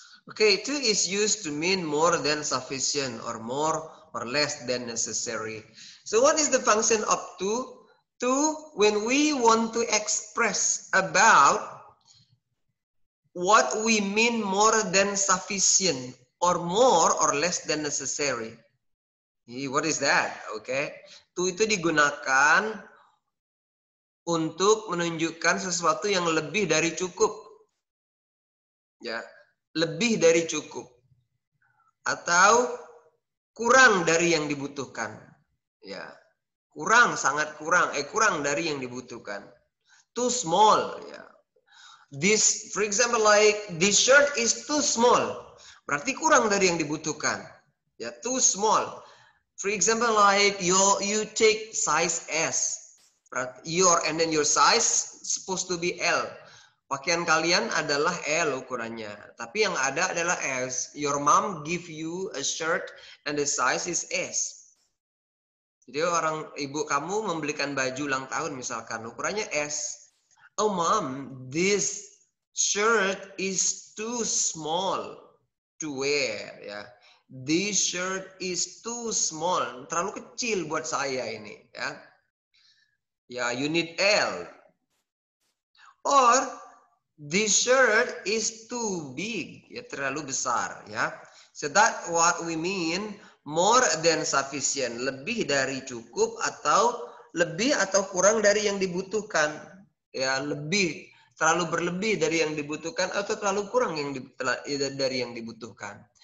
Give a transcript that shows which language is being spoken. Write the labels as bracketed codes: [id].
[en] Okay, to is used to mean more than sufficient or more or less than necessary. So what is the function of to? To, when we want to express about what we mean more than sufficient or more or less than necessary. What is that? Okay. [id] To itu digunakan untuk menunjukkan sesuatu yang lebih dari cukup. Ya, lebih dari cukup. Atau kurang dari yang dibutuhkan. Ya. Kurang, sangat kurang, kurang dari yang dibutuhkan. [en] Too small, ya. This, for example, like this shirt is too small. [id] Berarti kurang dari yang dibutuhkan. Ya, [en] too small. For example, like you take size S. Your size supposed to be L. [id] Pakaian kalian adalah L ukurannya. Tapi yang ada adalah S. [en] Your mom give you a shirt and the size is S. [id] Jadi orang ibu kamu membelikan baju ulang tahun misalkan ukurannya S. [en] Oh mom, this shirt is too small to wear. Ya, yeah. This shirt is too small. [id] Terlalu kecil buat saya ini. Ya, yeah. [en] Yeah, you need L. Or this shirt is too big. [id] Ya, terlalu besar. [en] Ya, yeah. So that what we mean more than sufficient. [id] Lebih dari cukup atau lebih atau kurang dari yang dibutuhkan. Ya, lebih, terlalu berlebih dari yang dibutuhkan atau terlalu kurang yang dari yang dibutuhkan.